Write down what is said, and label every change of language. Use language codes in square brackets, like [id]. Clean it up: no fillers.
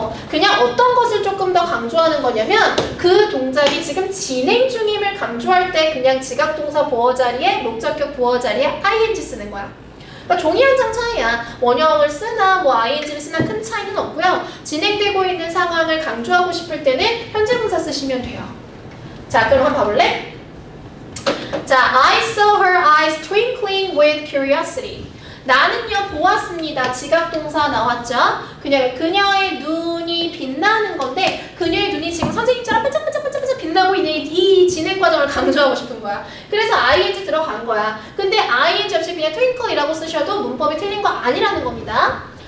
[ko] 그냥 어떤 것을 조금 더 강조하는 거냐면 그 동작이 지금 진행 중임을 강조할 때 그냥 지각 동사 보어 자리에 목적격 보어 자리에 ing 쓰는 거야. 그러니까 종이 한 장 차이야. 원형을 쓰나 뭐 ing를 쓰나 큰 차이는 없고요. 진행되고 있는 상황을 강조하고 싶을 때는 현재 분사 쓰시면 돼요. 자, 그럼 한번 봐볼래? [en] 자, I saw her eyes twinkling with curiosity. [ko] 나는요 보았습니다. 지각 동사 나왔죠? 그녀의 눈이 빛나는 건데 그녀의 눈이 지금 선생님처럼 반짝반짝반짝반짝 빛나고 있는 이 진행 과정을 강조하고 싶은 거야. 그래서 ing 들어간 거야. 근데 ing 없이 그냥 twinkle이라고 쓰셔도 문법이 틀린 거 아니라는 겁니다.